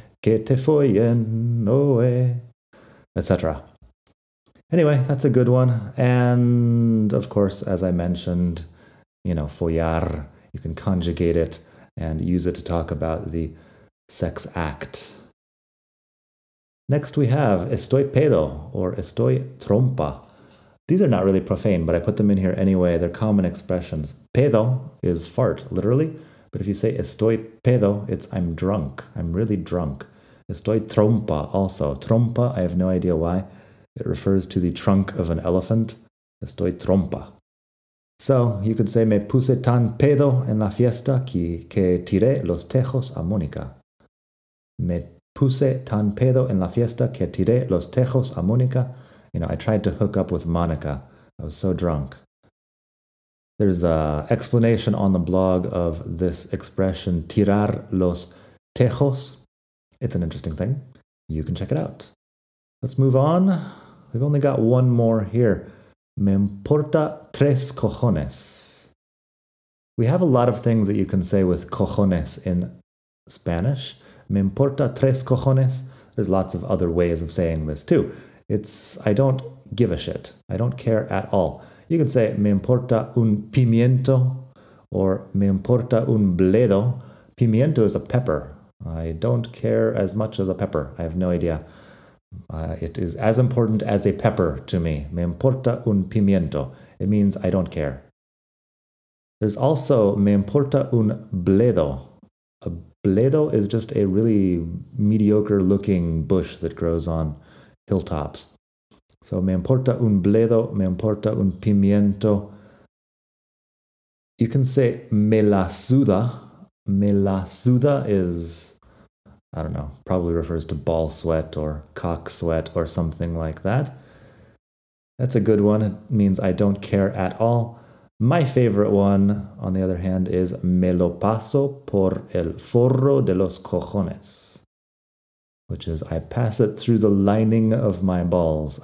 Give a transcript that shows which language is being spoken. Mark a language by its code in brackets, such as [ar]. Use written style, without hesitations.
[es] Que te follen, [en] no way, [es] etc. [en] Anyway, that's a good one. And, of course, as I mentioned... You know, follar, you can conjugate it and use it to talk about the sex act. Next we have [es] estoy pedo [en] or [es] estoy trompa. [en] These are not really profane, but I put them in here anyway. They're common expressions. Pedo is fart, literally. But if you say [es] estoy pedo, [en] it's I'm drunk. I'm really drunk. [es] Estoy trompa [en] also. Trompa, I have no idea why. It refers to the trunk of an elephant. [es] Estoy trompa. [en] So, you could say, [es] me puse tan pedo en la fiesta que tiré los tejos a Mónica. Me puse tan pedo en la fiesta que tiré los tejos a Mónica. [en] You know, I tried to hook up with Monica. I was so drunk. There's an explanation on the blog of this expression, [es] tirar los tejos. [en] It's an interesting thing. You can check it out. Let's move on. We've only got one more here. [es] Me importa tres cojones. [en] We have a lot of things that you can say with cojones in Spanish. [es] Me importa tres cojones. [en] There's lots of other ways of saying this too. It's, I don't give a shit. I don't care at all. You can say, [es] me importa un pimiento, or me importa un bledo. [en] Pimiento is a pepper. I don't care as much as a pepper. I have no idea. It is as important as a pepper to me. [es] Me importa un pimiento. [en] It means I don't care. There's also [es] me importa un bledo. [en] A bledo is just a really mediocre looking bush that grows on hilltops. [es] So me importa un bledo, me importa un pimiento. [en] You can say [es] me la suda. Me la suda [en] is, I don't know, probably refers to ball sweat or cock sweat or something like that. That's a good one. It means I don't care at all. My favorite one, on the other hand, is [es] me lo paso por el forro de los cojones, [en] which is I pass it through the lining of my balls.